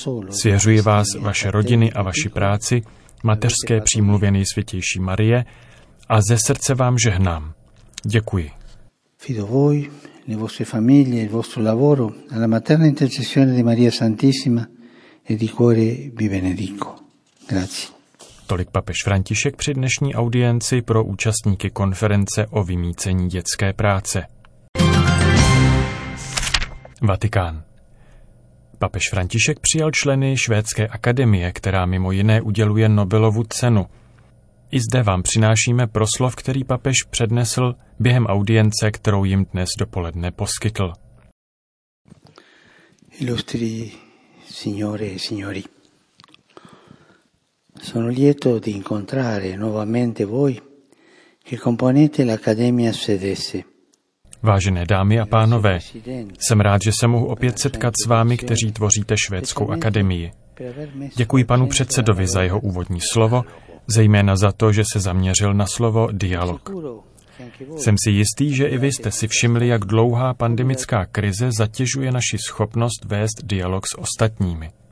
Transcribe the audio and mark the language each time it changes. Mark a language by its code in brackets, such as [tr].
[cs] Svěřuji vás, vaše rodiny a vaši práci, mateřské přímluvě Nejsvětější Marie, a ze srdce vám žehnám. Děkuji. [it] Fido voi, le vostre famiglie, il vostro lavoro, alla materna intercessione di Maria Santissima e di cuore vi benedico. Grazie. [cs] Tolik papež František při dnešní audienci pro účastníky konference o vymýcení dětské práce. Vatikán. Papež František přijal členy Švédské akademie, která mimo jiné uděluje Nobelovu cenu. I zde vám přinášíme proslov, který papež přednesl během audience, kterou jim dnes dopoledne poskytl. [it] Illustri signore e signori, sono lieto di incontrare nuovamente voi che componete l'Accademia Svedese. [cs] Vážené dámy a pánové, jsem rád, že se mohu opět setkat s vámi, kteří tvoříte Švédskou akademii. Děkuji panu předsedovi za jeho úvodní slovo, zejména za to, že se zaměřil na slovo dialog. Jsem si jistý, že i vy jste si všimli, jak dlouhá pandemická krize zatěžuje naši schopnost vést dialog s ostatními.